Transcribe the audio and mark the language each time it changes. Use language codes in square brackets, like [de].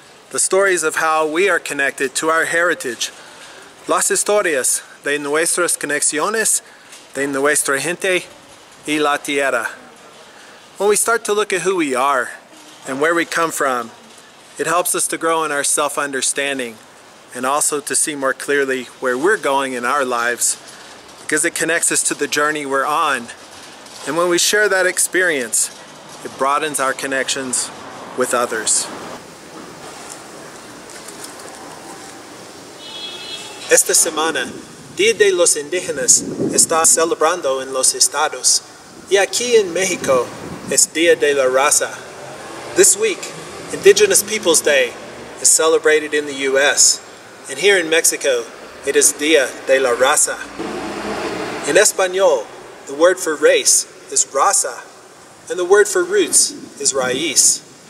[en] The stories of how we are connected to our heritage. [es] Las historias de nuestras conexiones, de nuestra gente y la tierra. [en] When we start to look at who we are and where we come from, it helps us to grow in our self-understanding and also to see more clearly where we're going in our lives, because it connects us to the journey we're on. And when we share that experience, it broadens our connections with others. [es] Esta semana, Día de los Indígenas está celebrando en los estados. Y aquí en México, es Día de la Raza. [en] This week, Indigenous Peoples Day is celebrated in the U.S. And here in Mexico, it is Día de la Raza. In Espanol, the word for race is raza, and the word for roots is raíz.